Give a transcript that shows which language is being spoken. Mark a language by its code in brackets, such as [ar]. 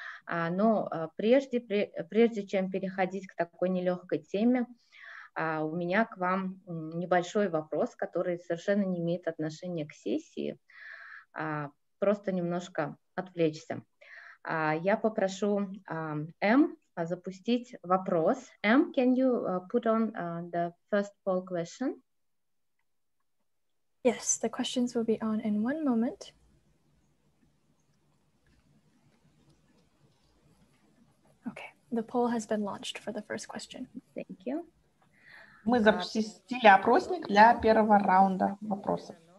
[ru] Но прежде чем переходить к такой нелегкой теме, у меня к вам небольшой вопрос, который совершенно не имеет отношения к сессии. Просто немножко отвлечься. Я попрошу М запустить вопрос. [en] М, can you put on the first poll question? Yes, the questions will be on in one moment. The poll has been launched for the first question. Thank you. [ru] Мы запустили опросник для первого раунда вопросов.